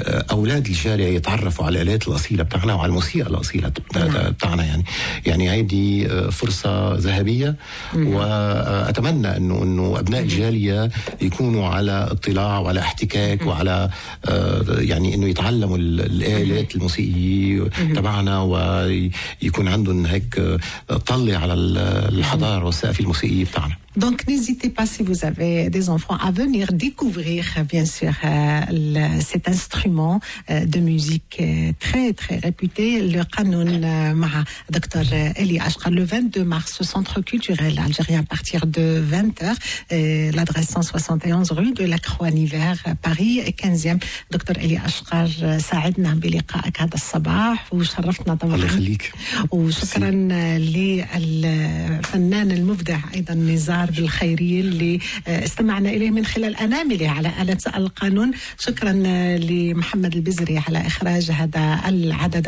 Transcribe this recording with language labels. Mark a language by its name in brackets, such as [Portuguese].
[Arabic] أولاد الجالية يتعرفوا على الآلات الأصيلة بتاعنا وعلى الموسيقى الأصيلة بتاعنا يعني، يعني هيدي فرصة ذهبية، وأتمنى أنه أبناء الجالية يكونوا على اطلاع وعلى احتكاك وعلى يعني أنه يتعلموا الآلات الموسيقية تبعنا، ويكون عندهم هيك طلع على الحضارة والسقف الموسيقية بتاعنا. [French] Donc n'hésitez pas si vous avez des enfants à venir découvrir bien sûr cet instrument de musique très très réputé, le qanoun, avec Dr Eli Ashkar, le 22 mars au centre culturel algérien à partir de 20h, l'adresse 171 rue de la Croix Niver, Paris 15e. [Arabic] Dr Eli Ashkar, ساعدنا بلقائك هذا الصباح وشرفتنا طبعا. الله يخليك. وشكرا للفنان المبدع ايضا نزار بالخيرية اللي استمعنا إليه من خلال أناملي على آلة القانون. شكرا لمحمد البزري على إخراج هذا العدد.